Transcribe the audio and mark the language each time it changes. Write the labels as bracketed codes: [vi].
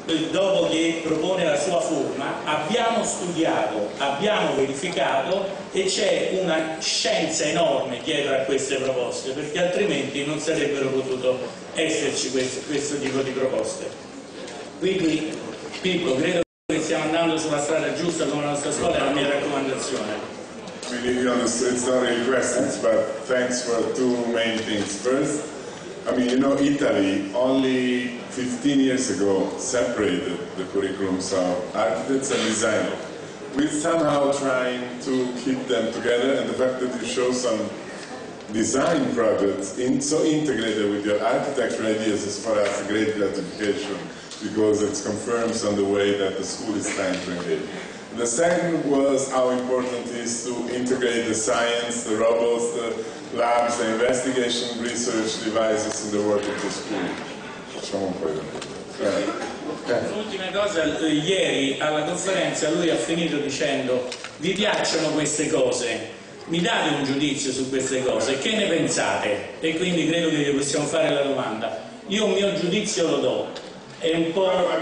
[it] dopo che propone la sua forma, abbiamo studiato, abbiamo verificato e c'è una scienza enorme dietro a queste proposte, perché altrimenti non sarebbero potuto esserci questo tipo di proposte. Quindi, Pippo, credo che stiamo andando sulla strada giusta con la nostra scuola e la mia raccomandazione. [en] We need you understood, sorry, questions, but thanks for two main things. First, I mean, you know, Italy only 15 years ago separated the curriculums of architects and designers. We're somehow trying to keep them together, and the fact that you show some design projects so integrated with your architecture ideas is for us a great gratification, because it confirms on the way that the school is trying to engage. The second was how important it is to integrate the science, the robots, the labs, the investigation research devices in the work of the school. [it] Facciamo un po' di domande. L'ultima cosa, ieri alla conferenza lui ha finito dicendo vi piacciono queste cose, mi date un giudizio su queste cose, che ne pensate? E quindi credo che possiamo fare la domanda. Io un mio giudizio lo do. È un po'.